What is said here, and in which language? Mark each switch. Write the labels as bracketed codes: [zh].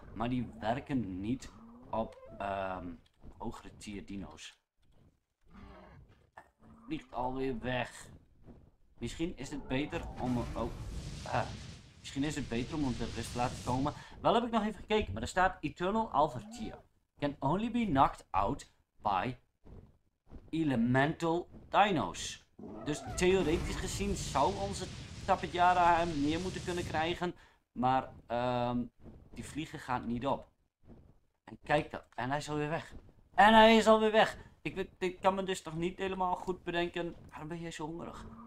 [nl] Maar die werken niet op hogere tier dino's. Hij vliegt alweer weg. Misschien is het beter om hem... Oh, misschien is het beter om hem ter rust te laten komen. Wel heb ik nog even gekeken. Maar er staat Eternal Alpha Tier. [en] Can only be knocked out by elemental dino's. [nl] Dus theoretisch gezien zou onze Tapetjara hem neer moeten kunnen krijgen. Maar die vliegen gaat niet op. En kijk dan. En hij is alweer weg. En hij is alweer weg. Ik kan me dus nog niet helemaal goed bedenken. Waarom ben jij zo hongerig?